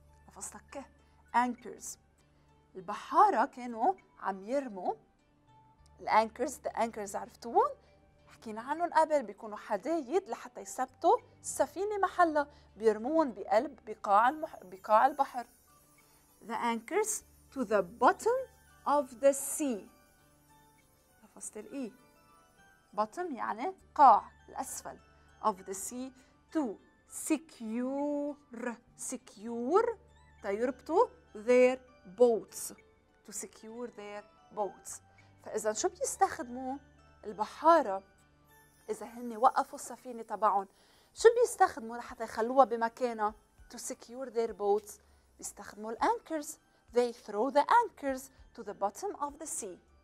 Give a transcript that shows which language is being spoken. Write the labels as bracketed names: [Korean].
[Arabic] لفظت ك anchors. البحارة كانوا عم يرموا الانكرز. [English] the anchors [Arabic] عرفتوهم, حكينا عنهم قبل, بيكونوا حدايد لحتى يثبتوا السفينه محلها. بيرمون بقلب بقاع بقاع البحر. [English] the anchors to the bottom of the sea. [Arabic] لفظت الاي. bottom يعني قاع, الاسفل. [English] of the sea to secure. secure تيربطوا their boats. to secure their boats. [Arabic] فإذا شو بيستخدموا البحارة إذا هن وقفوا السفينة تبعهم؟ شو بيستخدموا لحتى يخلوها بمكانها؟ [English] to secure their boats. [Arabic] بيستخدموا الأنكرز. [English] they throw the anchors to the bottom of the sea.